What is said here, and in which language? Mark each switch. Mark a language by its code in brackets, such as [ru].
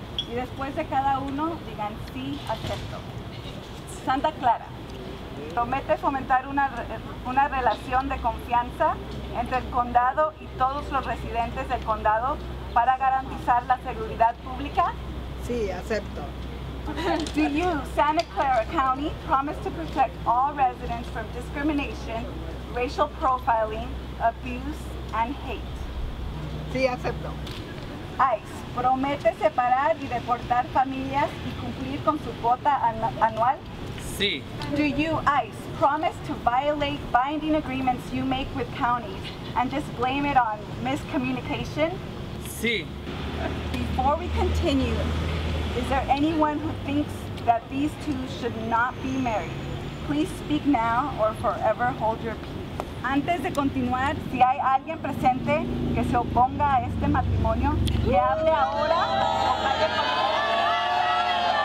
[es] Y después de cada uno, digan, sí, acepto. Santa Clara, promete fomentar una relación de confianza entre el condado y todos los residentes del condado para garantizar la seguridad pública? Sí, acepto. [en] Do you, Santa Clara County, promise to protect all residents from discrimination, racial profiling, abuse, and hate? [es] Sí, acepto. ICE, promete separar y deportar familias y cumplir con su cuota anual? Sí. [en] Do you, ICE, promise to violate binding agreements you make with counties and just blame it on miscommunication? [es] Sí. [en] Before we continue, is there anyone who thinks that these two should not be married? Please speak now or forever hold your peace. [es] Antes de continuar, si hay alguien presente que se oponga a este matrimonio, que hable ahora o calle por favor.